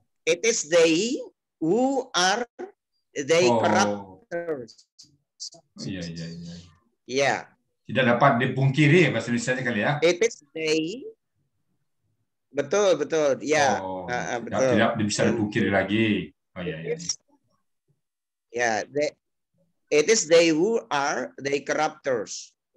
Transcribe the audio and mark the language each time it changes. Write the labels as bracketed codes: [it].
[en] It is they who are they corruptors. [id] Iya. Tidak dapat dipungkiri bahasa Indonesia kali ya. [en] It is they. [id] Betul. Ya. [en] Yeah. [id] Oh, betul. Tidak bisa dipungkiri lagi. Oh iya. [en] It is they who are they corruptors.